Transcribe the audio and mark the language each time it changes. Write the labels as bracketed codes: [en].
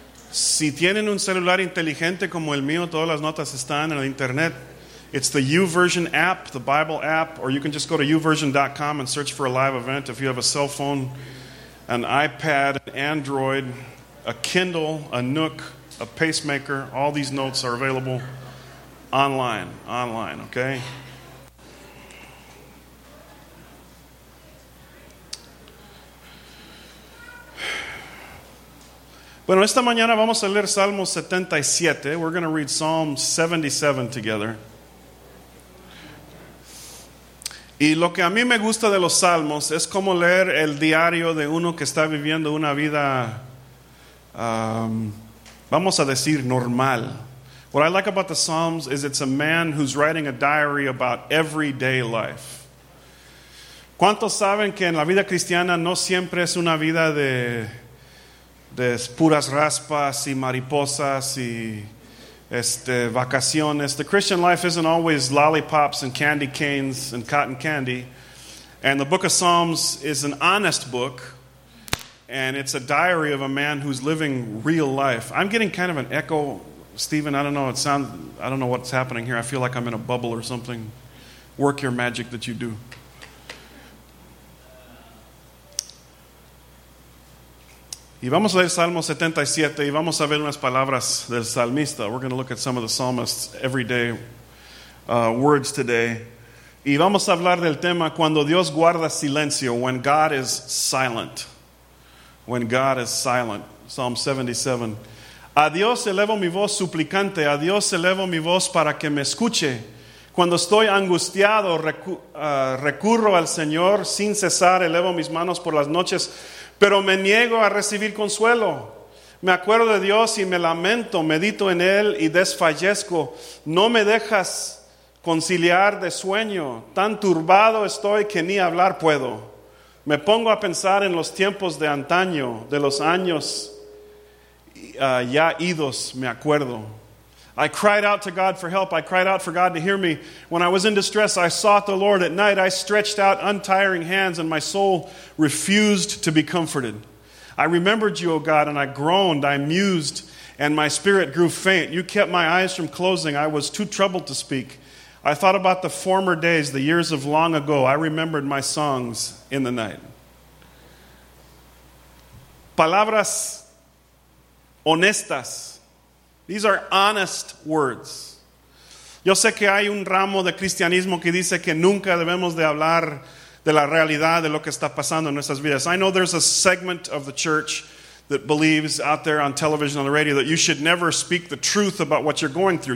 [es] Si tienen un celular inteligente como el mío, todas las notas están en el internet. [en] It's the YouVersion app, the Bible app, or you can just go to YouVersion.com and search for a live event. If you have a cell phone, an iPad, an Android, a Kindle, a Nook, a pacemaker, all these notes are available online, okay? [es] Bueno, esta mañana vamos a leer Salmo 77. [en] We're going to read Psalm 77 together. [es] Y lo que a mí me gusta de los salmos es como leer el diario de uno que está viviendo una vida, vamos a decir, normal. [en] What I like about the Psalms is it's a man who's writing a diary about everyday life. [es] ¿Cuántos saben que en la vida cristiana no siempre es una vida de puras raspas y mariposas y vacaciones? [en] The Christian life isn't always lollipops and candy canes and cotton candy. And the book of Psalms is an honest book, and it's a diary of a man who's living real life. I'm getting kind of an echo, Stephen. I don't know. I don't know what's happening here. I feel like I'm in a bubble or something. Work your magic that you do. [es] Y vamos a leer Salmo 77 y vamos a ver unas palabras del salmista. [en] We're going to look at some of the psalmist's everyday words today. [es] Y vamos a hablar del tema cuando Dios guarda silencio, [en] when God is silent. When God is silent. Psalm 77. [es] A Dios elevo mi voz suplicante. A Dios elevo mi voz para que me escuche. Cuando estoy angustiado, recurro al Señor. Sin cesar, elevo mis manos por las noches. Pero me niego a recibir consuelo. Me acuerdo de Dios y me lamento. Medito en Él y desfallezco. No me dejas conciliar de sueño. Tan turbado estoy que ni hablar puedo. Me pongo a pensar en los tiempos de antaño, de los años ya idos, me acuerdo. [en] I cried out to God for help. I cried out for God to hear me. When I was in distress, I sought the Lord. At night, I stretched out untiring hands, and my soul refused to be comforted. I remembered you, O God, and I groaned. I mused, and my spirit grew faint. You kept my eyes from closing. I was too troubled to speak. I thought about the former days, the years of long ago. I remembered my songs in the night. [es] Palabras honestas. [en] These are honest words. [es] Yo sé que hay un ramo de cristianismo que dice que nunca debemos de hablar de la realidad de lo que está pasando en nuestras vidas. [en] I know there's a segment of the church that believes out there on television, on the radio, that you should never speak the truth about what you're going through.